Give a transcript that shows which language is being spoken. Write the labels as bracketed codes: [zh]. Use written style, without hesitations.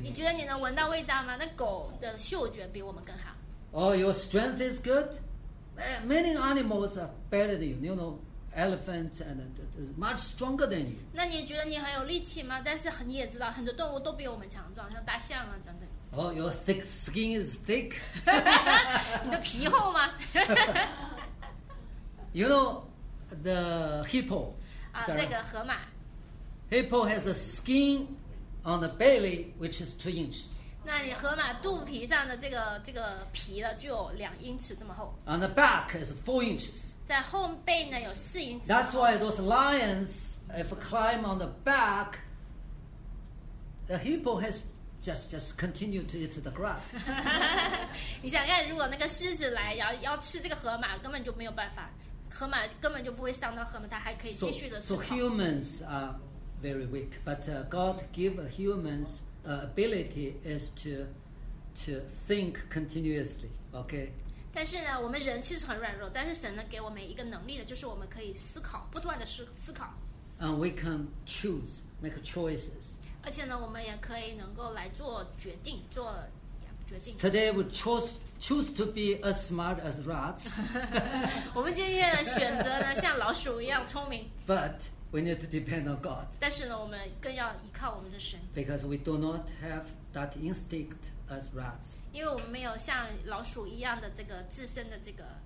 [zh] 你觉得你能闻到味道吗？那狗的嗅觉比我们更好。 [en] Oh, your strength is good. Many animals are better than you. You know, elephant and is much stronger than you. [zh] 那你觉得你很有力气吗？但是你也知道，很多动物都比我们强壮，像大象啊等等。 [en] Oh, your thick skin is thick. [zh] 你的皮厚吗？ [en] You know, the hippo. [zh] 啊，那个河马。 [en] Hippo has a skin on the belly which is 2 inches. [zh] 那你河马肚皮上的这个皮呢，就有2英尺这么厚。 [en] On the back is 4 inches. [zh] 在后背呢有4英尺。 [en] That's why those lions, if climb on the back, the hippo has just continue to eat the grass. [zh] 你想看，如果那个狮子来要吃这个河马，根本就没有办法。河马根本就不会伤到河马，它还可以继续的吃草。 [en] So humans are very weak, but God give humans. Ability is to think continuously. Okay. [zh] 但是呢，我们人其实很软弱。但是神呢，给我们一个能力呢，就是我们可以思考，不断的思考。 [en] And we can choose, make choices. [zh] 而且呢，我们也可以能够来做决定，做决定。 [en] Today we choose to be as smart as rats. [zh] 我们今天选择呢，像老鼠一样聪明。 [en] But we need to depend on God. [zh] 但是呢，我们更要依靠我们的神。 [en] Because we do not have that instinct as rats. [zh] 因为我们没有像老鼠一样的这个自身的这个